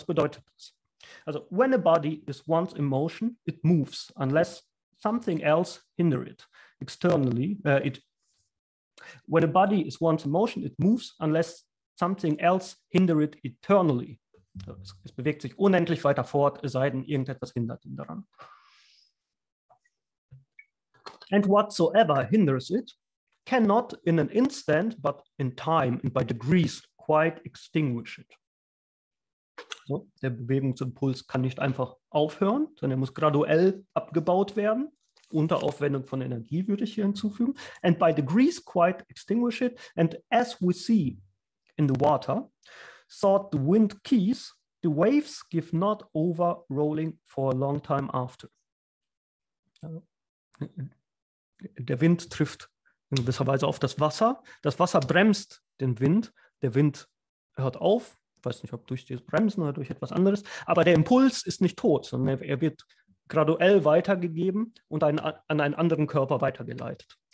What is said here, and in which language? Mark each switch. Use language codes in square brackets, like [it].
[de] Was bedeutet das? Also, [en] when a body is once in motion, it moves, unless something else hinder it. Externally, when a body is once in motion, it moves, unless something else hinder it eternally. [de] Es bewegt sich unendlich weiter fort, es sei denn, irgendetwas hindert ihn daran. [en] And whatsoever hinders it, cannot in an instant, but in time and by degrees, quite extinguish it. [de] So, der Bewegungsimpuls kann nicht einfach aufhören, sondern er muss graduell abgebaut werden, unter Aufwendung von Energie, würde ich hier hinzufügen. [en] And by degrees, quite extinguish it. And as we see in the water, thought the wind keys, the waves give not over rolling for a long time after. [de] Der Wind trifft in gewisser Weise auf das Wasser. Das Wasser bremst den Wind. Der Wind hört auf, weiß nicht, ob durch das Bremsen oder durch etwas anderes, aber der Impuls ist nicht tot, sondern er wird graduell weitergegeben und an einen anderen Körper weitergeleitet.